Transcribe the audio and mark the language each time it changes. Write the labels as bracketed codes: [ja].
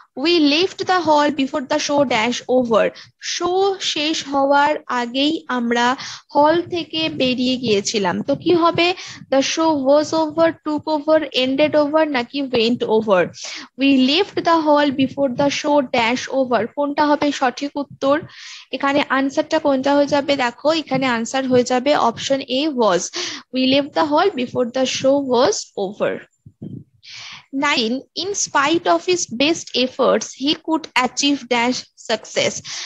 [en] We left the hall before the show dash over. [bn] Show শেষ হওয়ার আগেই আমরা হল থেকে বেরিয়ে গিয়েছিলাম. তো কি হবে? [en] The show was over, took over, ended over, নাকি went over? We left the hall before the show dash over. [bn] কোনটা হবে সঠিক উত্তর? এখানে আনসারটা কোনটা হয়ে যাবে? দেখো এখানে আনসার হয়ে যাবে option A, was. [en] We left the hall before the show was over. 9. In spite of his best efforts, he could achieve dash success.